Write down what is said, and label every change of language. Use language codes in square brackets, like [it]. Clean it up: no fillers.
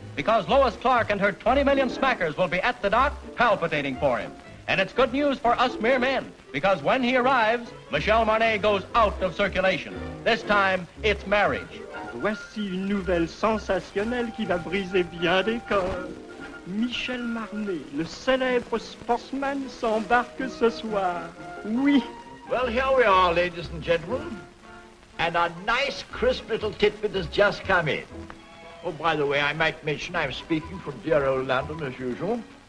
[en] Because Lois Clark and her 20 million smackers will be at the dock palpitating for him. And it's good news for us mere men, because when he arrives, Michel Marnay goes out of circulation. This time, it's marriage. [fr] Voici une nouvelle sensationnelle qui va briser bien des corps. Michel Marnay, le célèbre sportsman, s'embarque ce soir. Oui. [en] Well, here we are, ladies and gentlemen. And a nice, crisp little tidbit has just come in. Oh, by the way, I might mention I'm speaking from dear old London, as usual.